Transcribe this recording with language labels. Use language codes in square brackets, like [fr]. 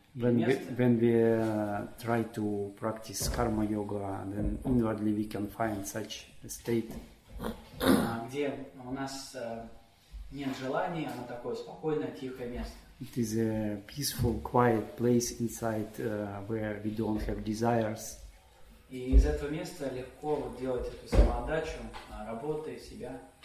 [en] When we try to practice karma yoga, then inwardly we can find such a state. [ru] Где у нас нет желания, оно такое спокойное, тихое место. [en] It is a peaceful, quiet place inside where we don't have desires. [ru] И из этого места легко вот делать эту самоотдачу, работу и себя.